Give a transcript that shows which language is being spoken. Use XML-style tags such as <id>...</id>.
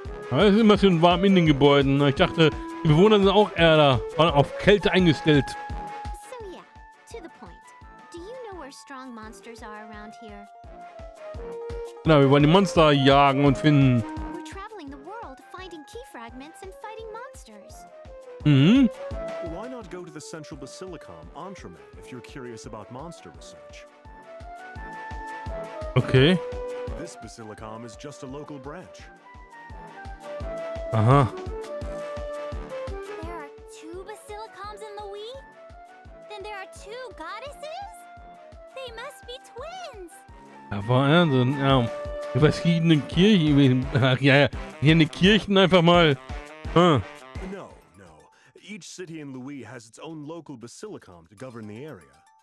<de>Es ist immer schön warm in den Gebäuden. Ich dachte, die Bewohner sind auch eher da, waren auf Kälte eingestellt.</de> <en>So yeah, to the point. Do you know where strong monsters are around here?</en> <de>Genau, wir wollen die Monster jagen und finden.</de> <en>We're traveling the world, finding key fragments and fighting monsters. Why not go to the central basilicum, Entremet, if you're curious about monster research? Okay. This basilicum is just a local branch. Aha. There are two basilicums in Louis? Then there are two goddesses? They must be twins.</en> <de>Ja, Wahnsinn. Ja, verschiedene Kirchen. Ach ja, hier eine Kirchen einfach mal.</de> <en>No, no. Each city in Louis has its own local basilicum to govern the area.</en>